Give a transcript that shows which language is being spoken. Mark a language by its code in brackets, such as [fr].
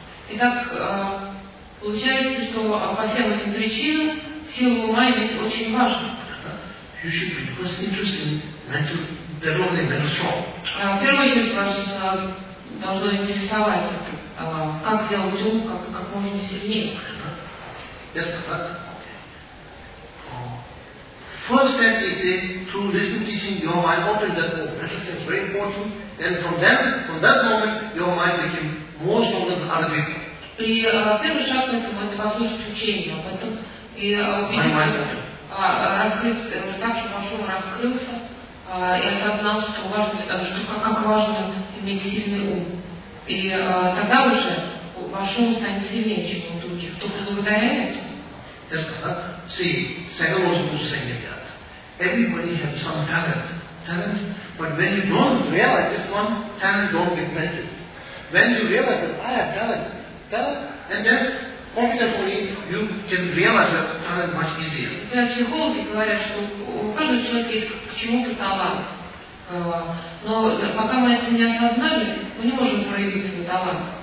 [ru] Итак, получается, что по всем этим причинам сила ума иметь очень важно. [en] You should be first interested in mental development and strong. [ru] В первую очередь вас должно интересовать, как делать ум, как можно сильнее. [en] Yes, First step is they, through wisdom teaching, your mind opened that door. That is very important. Then from then, from that moment, your mind became more stronger than other people. [ru] И первый шаг к этому это послушать учение об этом и раскрыться, уже так что пошел раскрылся и осознал, что важно, что как важно иметь сильный ум. И тогда уже ваш ум станет сильнее, чем у других. Только благодаря этому. [en] Everybody has some talent, but when you don't realize this one, talent don't get measured. When you realize that I have talent, and then confidently you can realize your talent much easier. [ru] Психологи говорят, что у каждого человека есть к чему-то талант. Но пока мы это не осознали, мы не можем проявить этот талант.